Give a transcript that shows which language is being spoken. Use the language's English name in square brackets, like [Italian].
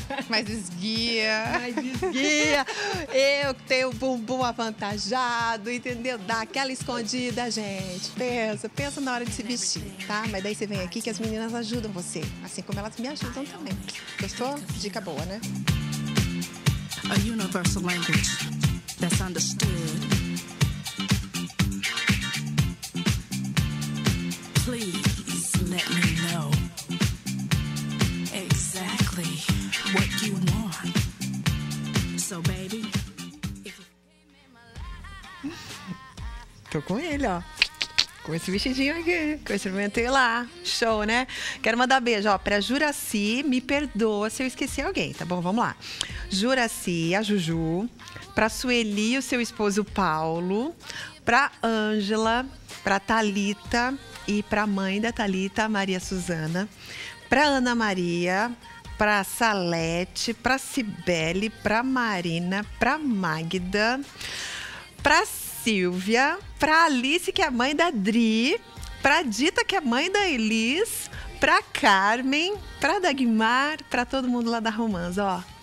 [Portuguese] mais esguia. Mais esguia. Eu que tenho o bumbum avantajado, entendeu? Dá aquela escondida, gente. Pensa na hora de se vestir, tá? Mas daí você vem aqui que as meninas ajudam você, assim como elas me ajudam também. Gostou? Dica boa, né? [English] A universal language that's understood. Please let me know exactly what you want. So, baby, if you came in my life. [Portuguese] Tô com ele, ó. Com esse vestidinho aqui, com esse momento lá. Show, né? Quero mandar beijo, ó, pra Juraci, me perdoa se eu esqueci alguém, tá bom? Vamos lá. Juraci, a Juju, pra Sueli, o seu esposo Paulo, pra Ângela, pra Thalita e pra mãe da Thalita, Maria Suzana, pra Ana Maria, pra Salete, pra Cibele, pra Marina, pra Magda, pra Silvia, pra Alice, que é mãe da Dri, pra Dita, que é mãe da Elis, pra Carmen, pra Dagmar, pra todo mundo lá da Romanza, ó.